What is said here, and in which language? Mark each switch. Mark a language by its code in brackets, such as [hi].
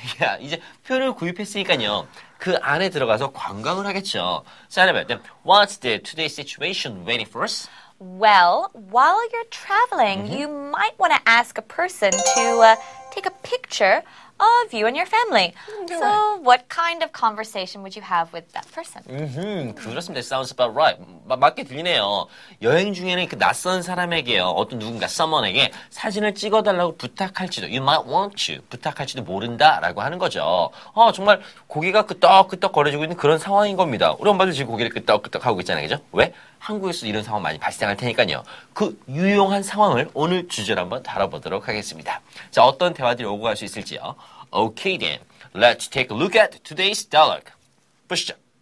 [ko] 야, 이제 표를 구입했으니까요. 그 안에 들어가서 관광을 하겠죠. 자, 여러분, [en] what's the today's situation waiting for us? Well, while you're traveling, mm-hmm. you might want to ask a person to take a picture of you and your family. So, what kind of conversation would you have with that person? [ko] Mm-hmm. 그렇습니다. [en] Sounds about right. [ko] 맞게 들리네요. 여행 중에는 그 낯선 사람에게요. 어떤 누군가, someone에게 사진을 찍어달라고 부탁할지도, [en] you might want to, [ko] 부탁할지도 모른다, 라고 하는 거죠. 정말 고개가 끄덕끄덕 거려지고 있는 그런 상황인 겁니다. 우리 엄마들 지금 고개를 끄덕끄덕 하고 있잖아요. 그죠? 왜? 한국에서 이런 상황 많이 발생할 테니까요. 그 유용한 상황을 오늘 주제로 한번 다뤄보도록 하겠습니다. 자, 어떤 대화들이 오고 갈 수 있을지요. [en] Okay then, let's take a look at today's dialogue. [ko] 보시죠.